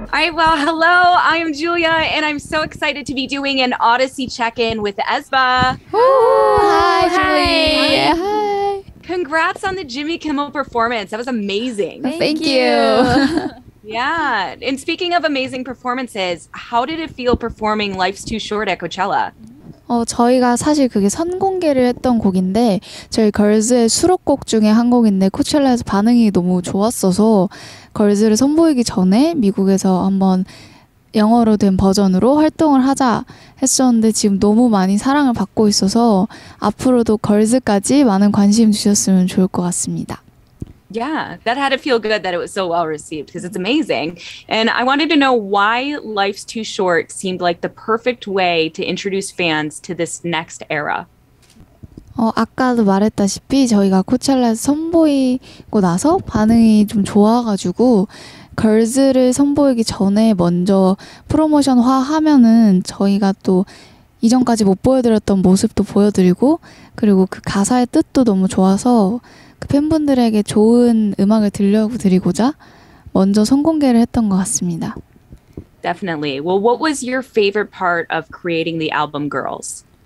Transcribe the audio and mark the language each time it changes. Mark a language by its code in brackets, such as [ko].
[en] Well, hello, I'm Julia, and I'm so excited to be doing an Audacy Check In with aespa. Hi, Julia. Congrats on the Jimmy Kimmel performance. That was amazing. Thank you. Yeah. And speaking of amazing performances, how did it feel performing Life's Too Short at Coachella? [ko] 저희가 사실 그게 선공개를 했던 곡인데 저희 걸즈의 수록곡 중에 한 곡인데 코첼라에서 반응이 너무 좋았어서 걸즈를 선보이기 전에 미국에서 한번 영어로 된 버전으로 활동을 하자 했었는데 지금 너무 많이 사랑을 받고 있어서 앞으로도 걸즈까지 많은 관심 주셨으면 좋을 것 같습니다. [en] Yeah, that had to feel good that it was so well received because it's amazing. And I wanted to know why Life's Too Short seemed like the perfect way to introduce fans to this next era. [ko] 아까도 말했다시피 저희가 코첼라에서 선보이고 나서 반응이 좀 좋아가지고 걸즈를 선보이기 전에 먼저 프로모션화 하면은 저희가 또 이전까지 못 보여드렸던 모습도 보여드리고 그리고 그 가사의 뜻도 너무 좋아서 그 팬분들에게 좋은 음악을 들려드리고자 먼저 선공개를 했던 것 같습니다. [en] Definitely. Well, what was your favorite part of creating the album Girls?